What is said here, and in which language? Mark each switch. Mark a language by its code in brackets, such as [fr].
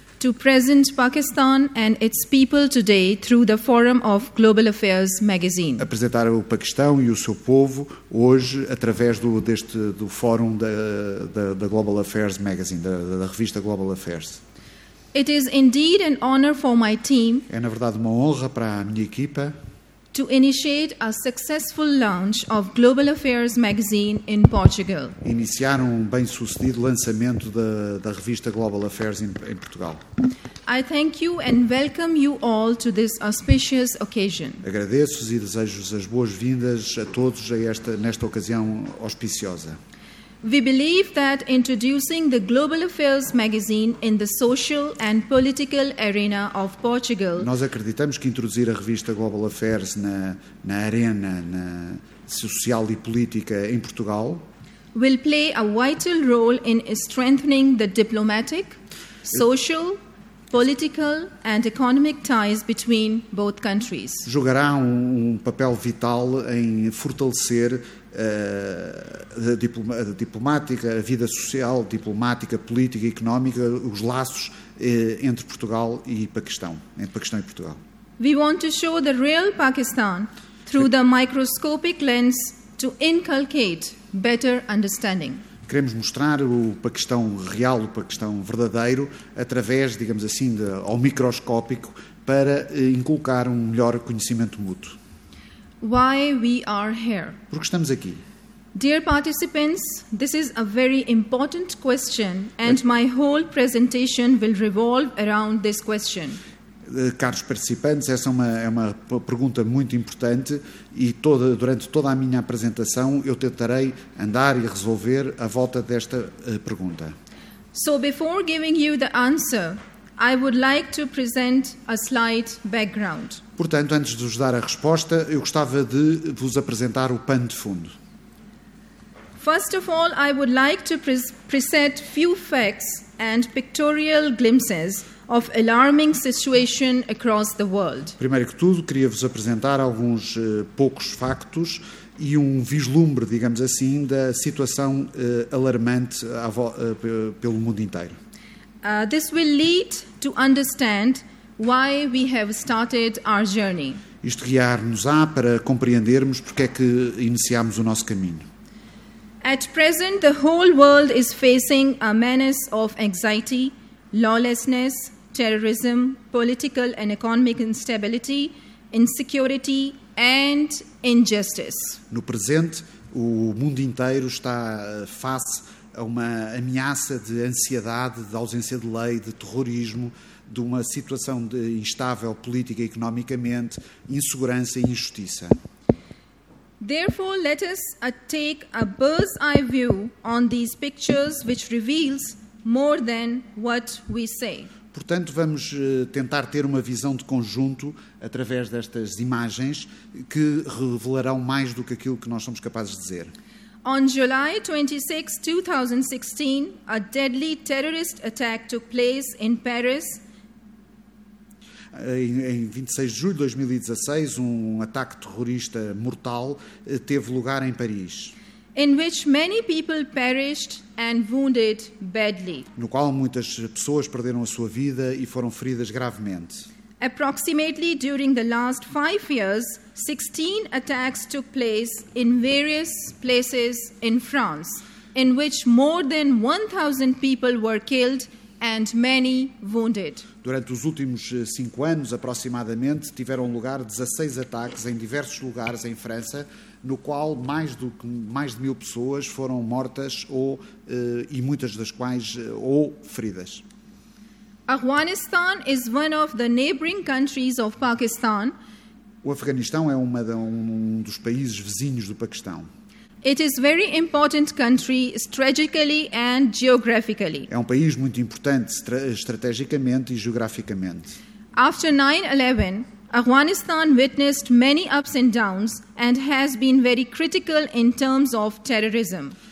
[en] To present Pakistan and its people today through the Forum of Global Affairs magazine. [pt] Apresentar o Paquistão e o seu povo hoje através do Fórum da Global Affairs magazine, da revista Global Affairs. [en] It is indeed an honor for my team. [pt] É na verdade uma honra para a minha equipa. [en] To initiate a successful launch of Global Affairs magazine in Portugal. [pt] Iniciar um bem-sucedido lançamento da revista Global Affairs em Portugal. [en] I thank you and welcome you all to this auspicious occasion. [pt] Agradeço-vos e desejo-vos as boas-vindas a todos nesta ocasião auspiciosa. [en] We believe that introducing the Global Affairs magazine in the social and political arena of Portugal. [pt] Nós acreditamos que introduzir a revista Global Affairs na arena social e política em Portugal [en] will play a vital role in strengthening the diplomatic, social, political and economic ties between both countries. [pt] Jogará um papel vital em fortalecer a vida social, diplomática, política e económica, os laços entre Portugal e Paquistão, entre Paquistão e Portugal. [en] We want to show the real Pakistan through the microscopic lens to inculcate better understanding. [pt] Queremos mostrar o Paquistão real, o Paquistão verdadeiro, através, digamos assim, ao microscópico, para inculcar um melhor conhecimento mútuo. [en] Why we are here? [pt] Porque estamos aqui. [en] Dear participants, this is a very important question and my whole presentation will revolve around this question. [pt] Caros participantes, essa é uma pergunta muito importante e durante toda a minha apresentação eu tentarei andar e resolver à volta desta pergunta. [en] So before giving you the answer, I would like to present a slight background. [pt] Portanto, antes de vos dar a resposta, eu gostava de vos apresentar o pano de fundo. [en] First of all, I would like to present few facts and pictorial glimpses of alarming situation across the world. [pt] Primeiro que tudo, queria vos apresentar alguns poucos factos e um vislumbre, digamos assim, da situação alarmante pelo mundo inteiro. [en] This will lead to understand why we have started our journey. [pt] Isto guiar-nos-á para compreendermos porque é que iniciámos o nosso caminho. [en] At present, the whole world is facing a menace of anxiety, lawlessness, terrorism, political and economic instability, insecurity and injustice. [pt] No presente, o mundo inteiro está face a uma ameaça de ansiedade, de ausência de lei, de terrorismo, de uma situação de instável política e economicamente, insegurança e injustiça. [en] Therefore, let us take a bird's eye view on these pictures which reveals more than what we say. [pt] Portanto, vamos tentar ter uma visão de conjunto através destas imagens que revelarão mais do que aquilo que nós somos capazes de dizer. [en] On July 26, 2016, a deadly terrorist attack took place in Paris. [pt] Em 26 de julho de 2016, um ataque terrorista mortal teve lugar em Paris. [en] In which many people perished and wounded badly. [pt] No qual muitas pessoas perderam a sua vida e foram feridas gravemente. [en] Approximately during the last 5 years, 16 attacks took place in various places in France, in which more than 1,000 people were killed and many wounded. [pt] Durante os últimos 5 anos, aproximadamente, tiveram lugar 16 ataques em diversos lugares em França, no qual mais de 1,000 pessoas foram mortas e muitas das quais ou feridas. [en] Afghanistan is one of the neighboring countries of Pakistan. [pt] O Afeganistão é um dos países vizinhos do Paquistão. [en] It is very important country strategically and geographically. [pt] É um país muito importante estrategicamente e geograficamente. [en] After 9/11, Afghanistan witnessed many ups and downs and has been very critical in terms of terrorism.